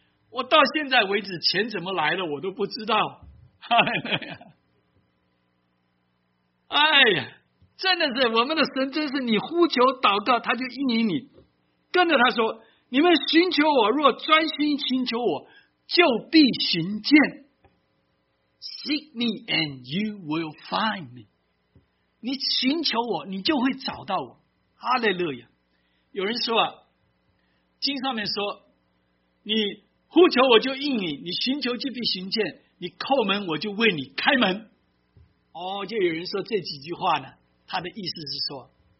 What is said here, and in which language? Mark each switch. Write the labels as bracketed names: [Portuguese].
[Chinese] 我到现在为止钱怎么来的我都不知道。哈利路亚。哎呀，真的是我们的神，真是你呼求祷告他就应允你。跟着他说，你们寻求我，若专心寻求我，就必寻见。 [English] Seek me and you will find me. [Chinese] 你寻求我，你就会找到我。哈利路亚。有人说啊，经上面说，你呼求我就应你，你寻求就必寻见，你叩门我就为你开门。哦，就有人说这几句话呢，他的意思是说，